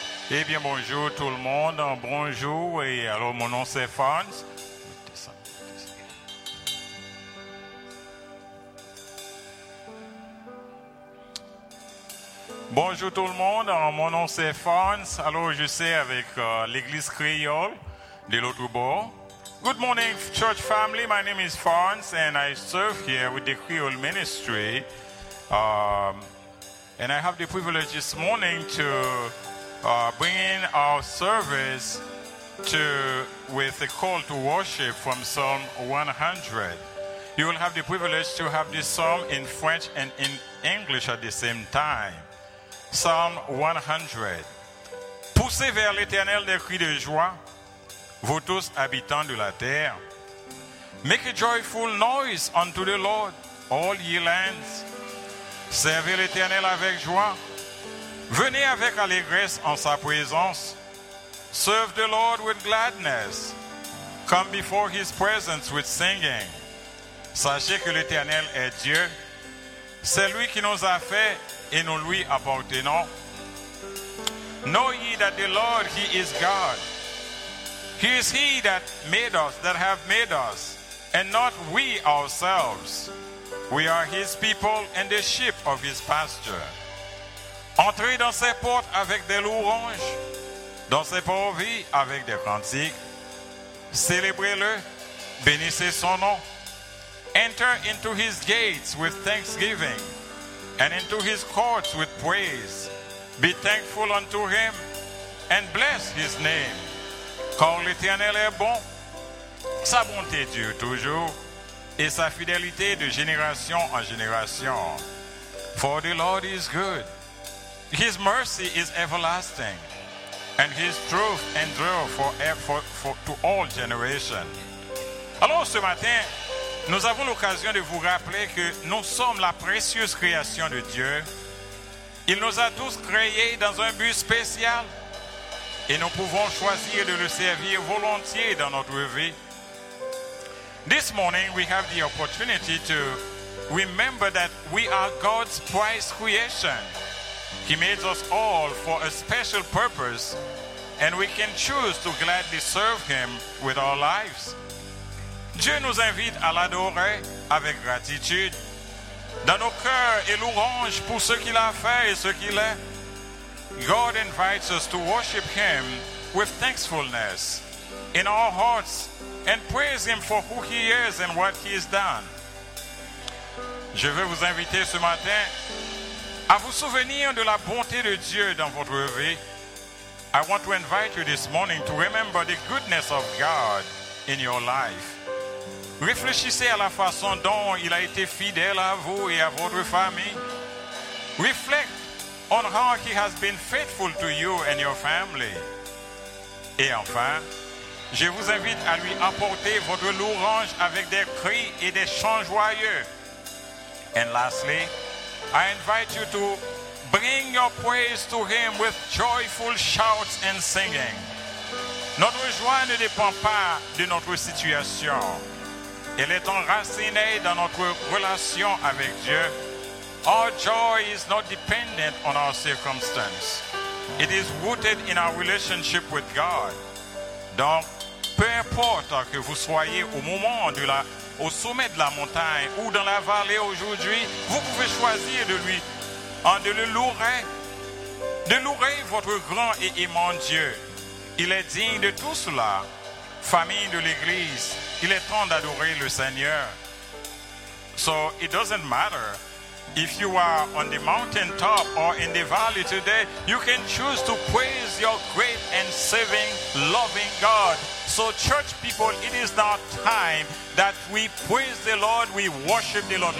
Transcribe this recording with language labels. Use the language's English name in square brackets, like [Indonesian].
[French] Eh bien, bonjour tout le monde, bonjour, et alors mon nom c'est Farns. Bonjour tout le monde, mon nom c'est Farns, alors je suis avec l'église créole de l'autre bord. [English] Good morning, church family, my name is Farns, and I serve here with the Creole ministry. And I have the privilege this morning to bringing our service to with a call to worship from Psalm 100. You will have the privilege to have this psalm in French and in English at the same time. Psalm 100. [French] Poussez vers l'Éternel des cris de joie, vous tous habitants de la terre. [English] Make a joyful noise unto the Lord, all ye lands. [French] Servez l'Éternel avec joie. Venez avec allégresse en sa présence. [English] Serve the Lord with gladness. Come before his presence with singing. [French] Sachez que l'Éternel est Dieu. C'est lui qui nous a fait et nous lui appartenons. [English] Know ye that the Lord, he is God. He is he that made us, that have made us, and not we ourselves. We are his people and the sheep of his pasture. [French] Entrez dans ses portes avec des louanges, dans ses parvis avec des cantiques. Célébrez-le, bénissez son nom. [English] Enter into his gates with thanksgiving and into his courts with praise. Be thankful unto him and bless his name. [French] Car l'Éternel est bon, sa bonté dure toujours et sa fidélité de génération en génération. [English] For the Lord is good. His mercy is everlasting, and his truth endure for to all generations. [French] Alors ce matin, nous avons l'occasion de vous rappeler que nous sommes la précieuse création de Dieu. Il nous a tous créés dans un but spécial, et nous pouvons choisir de le servir volontiers dans notre vie. [English] This morning, we have the opportunity to remember that we are God's prized creation. He made us all for a special purpose, and we can choose to gladly serve him with our lives. [French] Dieu nous invite à l'adorer avec gratitude, dans nos cœurs et louanges pour ce qu'il a fait et ce qu'il est. [English] God invites us to worship him with thankfulness in our hearts and praise him for who he is and what he has done. [French] Je veux vous inviter ce matin à vous souvenir de la bonté de Dieu dans votre vie. [English] I want to invite you this morning to remember the goodness of God in your life. [French] Réfléchissez à la façon dont il a été fidèle à vous et à votre famille. [English] Reflect on how he has been faithful to you and your family. [French] Et enfin, je vous invite à lui apporter votre louange avec des cris et des chants joyeux. [English] And lastly, I invite you to bring your praise to him with joyful shouts and singing. [French] Notre joie ne dépend pas de notre situation. Elle est enracinée dans notre relation avec Dieu. [English] Our joy is not dependent on our circumstance. It is rooted in our relationship with God. [French] Donc, peu importe que vous soyez au moment de la au sommet de la montagne ou dans la vallée aujourd'hui, vous pouvez choisir de lui, de louer votre grand et aimant Dieu. Il est digne de tout cela. Famille de l'Église, il est temps d'adorer le Seigneur. [English] So it doesn't matter if you are on the mountain top or in the valley today, you can choose to praise your great and saving, loving God. So church people, it is now time that we praise the Lord, we worship the Lord.